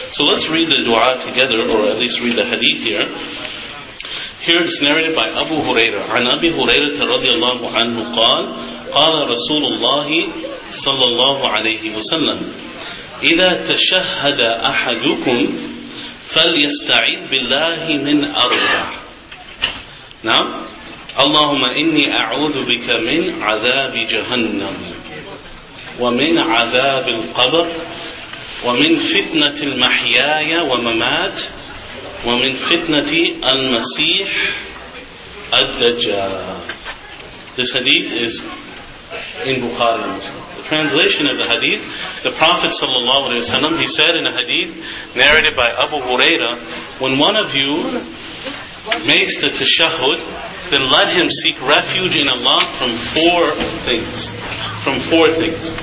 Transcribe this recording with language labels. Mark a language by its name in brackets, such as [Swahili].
[English] So let's read the dua together, or at least read the hadith here. Here it's narrated by Abu Hurairah. [Arabic] An Abi Hurairah radiallahu anhu qal, qala Rasulullah sallallahu alayhi wa sallam, إِذَا تَشَهَّدَ أَحَدُكُمْ فَلْيَسْتَعِذْ بِاللَّهِ مِنْ أَرْبَعٍ. [English] Now, [Arabic] اللهم إني أعوذ بك من عذاب جهنم ومن عذاب القبر ومن فتنة المحياة وممات ومن فتنة المسيح الدجال. [English] This hadith is in Bukhari and Muslim. The translation of the hadith, the Prophet sallallahu alaihi wasallam, he said in a hadith narrated by Abu Huraira, when one of you makes the tashahud, then let him seek refuge in Allah from four things. From four things.